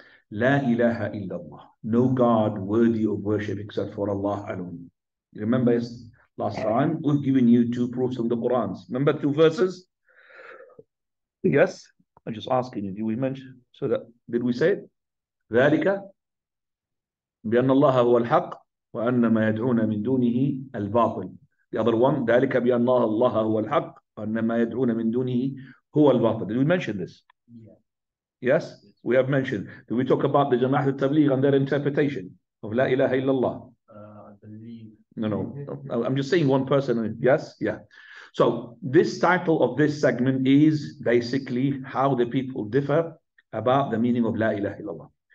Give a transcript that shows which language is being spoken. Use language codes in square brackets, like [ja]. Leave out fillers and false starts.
[en] La ilaha illallah. No God worthy of worship except for Allah alone. Remember last time, we've given you 2 proofs from the Quran. Remember 2 verses? Yes. I'm just asking you, did we mention? So that did we say it? Thalika. [ar] بأن الله هو الحق وأن ما يدعون من دونه الباطل. [en] The other one, [ar] ذلك بأن الله الله هو الحق وأن ما يدعون من دونه هو الباطل. [en] Did we mention this? Yeah. Yes, we have mentioned. Did we talk about the Jamaat al-Tabligh and their interpretation of La ilaha illallah? I believe No. I'm just saying one person. Yes? Yeah. So this title of this segment is basically how the people differ about the meaning of La ilaha illallah.